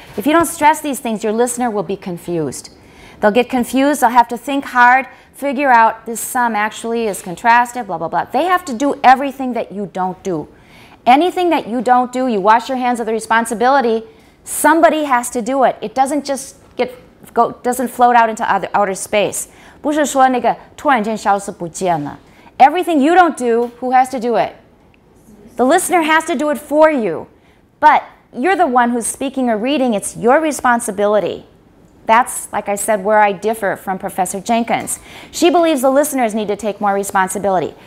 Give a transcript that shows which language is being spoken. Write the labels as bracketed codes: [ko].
[en] If you don't stress these things, your listener will be confused. They'll get confused, they'll have to think hard,figure out this sum actually is contrastive, blah, blah, blah. They have to do everything that you don't do. Anything that you don't do, you wash your hands of the responsibility, somebody has to do it. It doesn't just doesn't float out into outer space. [zh] 不是说那个突然间消失不见了。 [en] Everything you don't do, who has to do it? The listener has to do it for you. But you're the one who's speaking or reading, it's your responsibility. That's, like I said, where I differ from Professor Jenkins. She believes the listeners need to take more responsibility.